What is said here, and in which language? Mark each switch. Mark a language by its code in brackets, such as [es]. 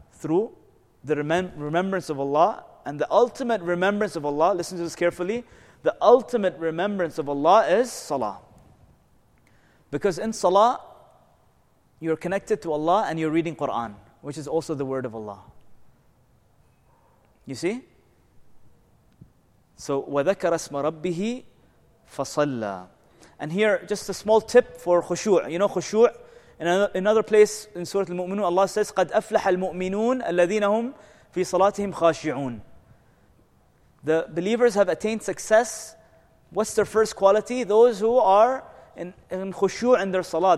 [en] Through the remembrance of Allah. And the ultimate remembrance of Allah, listen to this carefully, the ultimate remembrance of Allah is salah. Because in salah, you're connected to Allah and you're reading Quran, which is also the word of Allah. You see? [ar] So, وَذَكَرَ اسْمَ رَبِّهِ فَصَلَّى. [en] And here, just a small tip for khushu'. You know khushu'? In another place in Surah Al-Mu'minun, Allah says, [ar] قَدْ أَفْلَحَ الْمُؤْمِنُونَ الَّذِينَ هُمْ فِي صَلَاتِهِمْ خَاشِعُونَ. [en] The believers have attained success. What's their first quality? Those who are in khushu' in their salah.